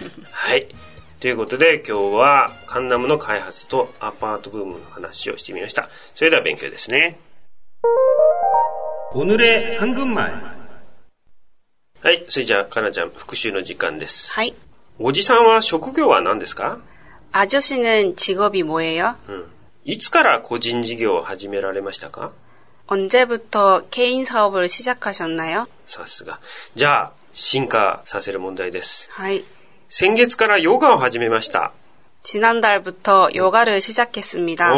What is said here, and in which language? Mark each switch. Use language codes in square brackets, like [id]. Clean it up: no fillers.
[ja] はい、ということで今日はカンナムの開発とアパートブームの話をしてみました。それでは勉強ですね。 [ko] 오늘의한국말。 [ja] はい、それじゃあかなちゃん復習の時間です。はい。おじさんは職業は何ですか？ [ko] 아저씨는직업이뭐예요？ [ja] うん。いつから個人事業を始められましたか？ [ko] 언제부터개인사업을시작하셨나요？ [ja] さすが。じゃあ進化させる問題です。はい。先月からヨガを始めました。 [ko] 지난달부터 [ja] ヨガを [ko] 시작했습니다。